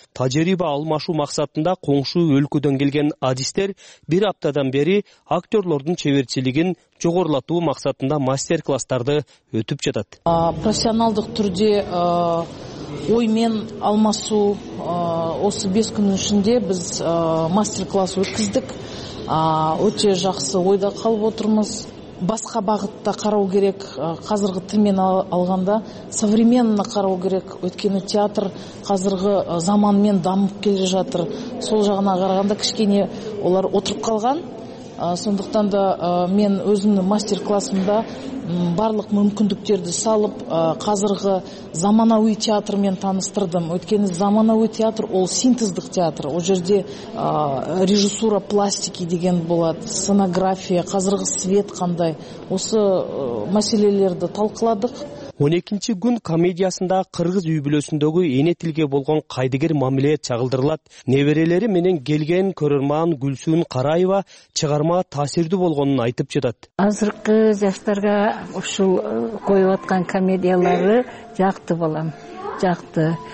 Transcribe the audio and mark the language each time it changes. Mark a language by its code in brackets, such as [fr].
[ky] Тажрыйба алмашуу максатында коңшу өлкөдөн келген адистер бир аптадан бери актерлордун чеберчилигин жогорулатуу максатында мастер-класстарды өтүп жатат. Профессионалдык түрдө ой мен алмашуу осы 5 күндүн ичинде биз мастер-класс өткүздүк. Өтө жакшы ойдо калып отурмуз. [kk] Басқа бағытта қарау керек, қазіргі тілмен алғанда современно қарау керек, өткені театр қазіргі заманмен дамып келе жатыр. Сол жағына қарағанда кішкене олар отырып қалған. Сондықтан да мен өзімнің мастер-классымда барлық мүмкіндіктерді салып, қазіргі заманауи театрмен таныстырдым. Өткені заманауи театр ол синтездік театр. Ол жерде режиссура пластики деген болады, сценография, қазіргі свет қандай. Осы мәселелерді талқыладық. [ky] 12-нчи күн комедиясында кыргыз үй бүлөсүндөгү эне тилге болгон кайдыгер мамиле чагылдырылат. Неберелери менен келген көрөрман Гүлсүн Караева чыгарма таасирдүү болгонун айтып жатат. Азыркы жаштарга ушул коюп аткан комедиялары жакты болом. Жакты.